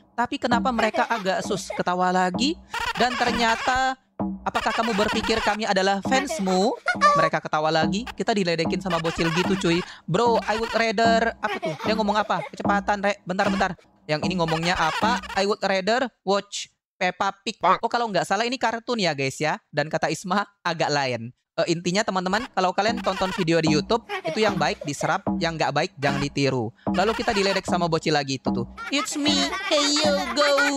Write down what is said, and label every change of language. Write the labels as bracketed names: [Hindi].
[Indonesian] Tapi kenapa mereka agak sus ketawa lagi? Dan ternyata, apakah kamu berpikir kami adalah fansmu? Mereka ketawa lagi. Kita diledekin sama bocil gitu cuy. [English] Bro, I would rather. [Indonesian] Apa tuh? Dia ngomong apa? Kecepatan, Re. Bentar. Yang ini ngomongnya apa? [English] I would rather watch Peppa Pig. [Indonesian] Oh, kalau nggak salah ini kartun ya guys ya. Dan kata Isma agak lain. Intinya teman-teman, kalau kalian tonton video di YouTube, itu yang baik diserap, yang nggak baik jangan ditiru. Lalu kita diledek sama bocil lagi itu tuh. [English] It's me, Hayogo.